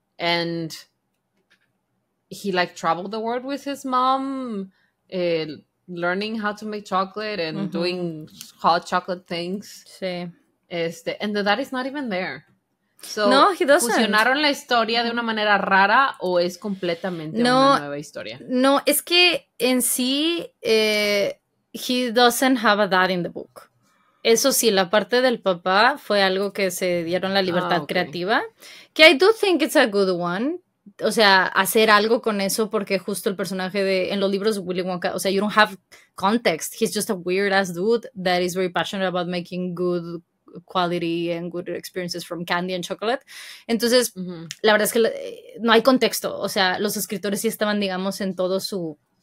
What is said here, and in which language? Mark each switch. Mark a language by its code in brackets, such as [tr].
[en] And he like traveled the world with his mom, learning how to make chocolate and doing hot chocolate things. [es] Sí. [en] And the dad is not even there. So, no, he doesn't. [es] ¿Fusionaron la historia de una manera rara o es completamente no, una nueva historia? No, es que en sí, [en] he doesn't have a dad in the book. [es] Eso sí, la parte del papá fue algo que se dieron la libertad creativa. [en] Que I do think it's a good one. [es] O sea, hacer algo con eso porque justo el personaje de... En los libros Willy Wonka, o sea, [en] you don't have context. He's just a weird-ass dude that is very passionate about making good quality and good experiences from candy and chocolate. [es] Entonces, la verdad es que no hay contexto. O sea, los escritores sí estaban, digamos, en todo su...